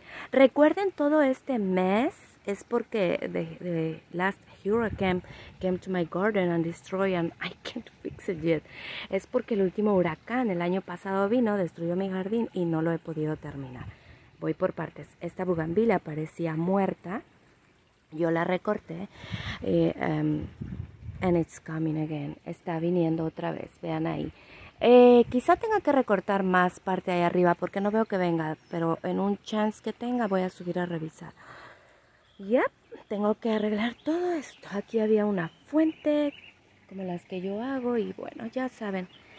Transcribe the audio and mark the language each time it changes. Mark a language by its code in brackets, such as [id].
[es] Recuerden, todo este mes es porque [en] the last hurricane came to my garden and destroyed and I can't fix it yet. [es] Es porque el último huracán el año pasado vino, destruyó mi jardín y no lo he podido terminar. Voy por partes. Esta bugambilia parecía muerta. Yo la recorté y, [en] and it's coming again. [es] Está viniendo otra vez, vean ahí. Quizá tenga que recortar más parte ahí arriba porque no veo que venga, pero en un chance que tenga voy a subir a revisar. Yep, tengo que arreglar todo esto. Aquí había una fuente como las que yo hago y bueno, ya saben.